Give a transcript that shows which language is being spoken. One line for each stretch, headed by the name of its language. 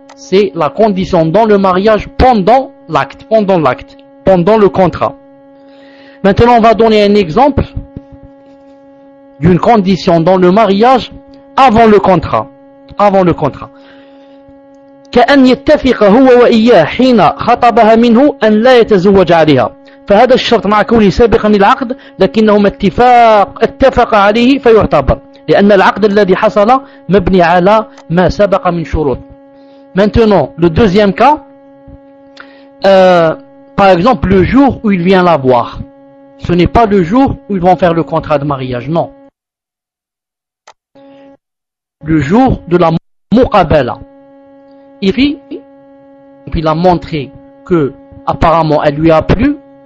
French: C'est la condition dans le mariage pendant l'acte, pendant le contrat. Maintenant, on va donner un exemple d'une condition dans le mariage avant le contrat.
Arabic: كأن يتفق هو وإياه حين خطبها منه أن لا يتزوج عليها. فهذا الشرط مع كونه سابقا للعقد لكنهما اتفق عليه فيعتبر لأن العقد الذي حصل مبني على ما سبق من شروط.
French: Maintenant, le deuxième cas, par exemple, le jour où il vient la voir. Ce n'est pas le jour où ils vont faire le contrat de mariage, non. Le jour de la muqabala. Et puis il a montré que apparemment elle lui a plu.